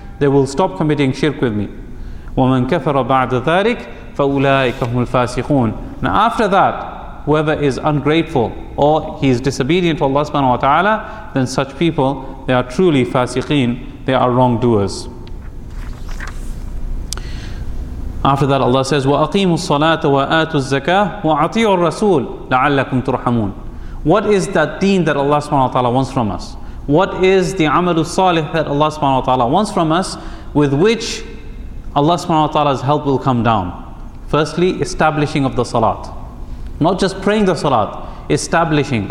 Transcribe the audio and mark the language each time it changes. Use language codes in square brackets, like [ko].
[en] They will stop committing shirk with me. [ar] وَمَنْ كَفَرَ بَعْدَ ذَلِكَ فَأُولَٰئِكَ هُمُ الْفَاسِقُونَ. [en] Now after that, whoever is ungrateful or he is disobedient to Allah subhanahu wa ta'ala, then such people, they are truly fasiqeen, they are wrongdoers. After that Allah says, [ar] وَأَقِيمُوا الصَّلَاةَ وَآتُوا الزَّكَاةَ وَعَطِيُوا الرَّسُولَ لَعَلَّكُمْ تُرْحَمُونَ. [en] What is that deen that Allah subhanahu wa ta'ala wants from us? What is the amalu salih that Allah subhanahu wa ta'ala wants from us, with which Allah subhanahu wa ta'ala's help will come down? Firstly, establishing of the salat. Not just praying the salat, establishing.